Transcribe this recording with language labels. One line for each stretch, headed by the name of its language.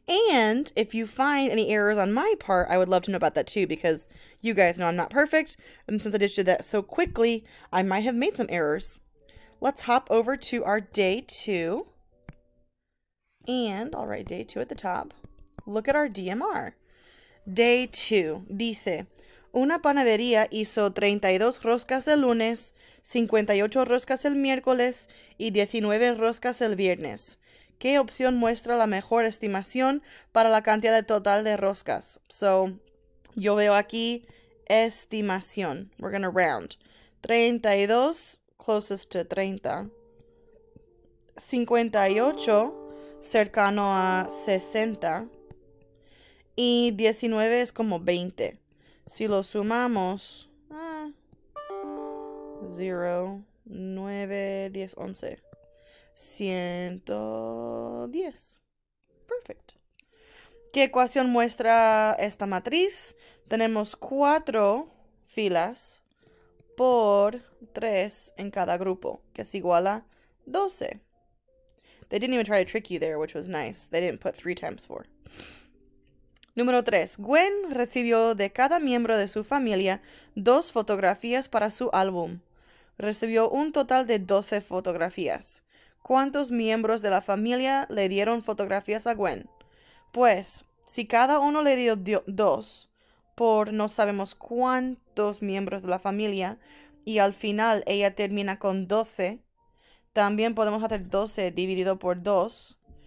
English: And if you find any errors on my part, I would love to know about that too because you guys know I'm not perfect. And since I did that so quickly, I might have made some errors. Let's hop over to our day two. And I'll write day two at the top. Look at our DMR. Day two.
Spanish: Dice, una panadería hizo 32 roscas el lunes, 58 roscas el miércoles y 19 roscas el viernes. ¿Qué opción muestra la mejor estimación para la cantidad total de roscas?
English: So,
Spanish: yo veo aquí estimación.
English: We're going to round. 32, closest to 30. 58,
Spanish: cercano a
English: 60.
Spanish: Y 19 es como 20. Si lo sumamos, 0, 9, 10, 11.
English: 110. Perfect.
Spanish: ¿Qué ecuación muestra esta matriz? Tenemos 4 filas por 3 en cada grupo, que es igual a 12.
English: They didn't even try to trick you there, which was nice. They didn't put 3 times 4.
Spanish: Número 3. Gwen recibió de cada miembro de su familia 2 fotografías para su álbum. Recibió un total de 12 fotografías. ¿Cuántos miembros de la familia le dieron fotografías a Gwen? Pues, si cada uno le dio 2, por no sabemos cuántos miembros de la familia, y al final ella termina con 12, también podemos hacer 12 dividido por 2.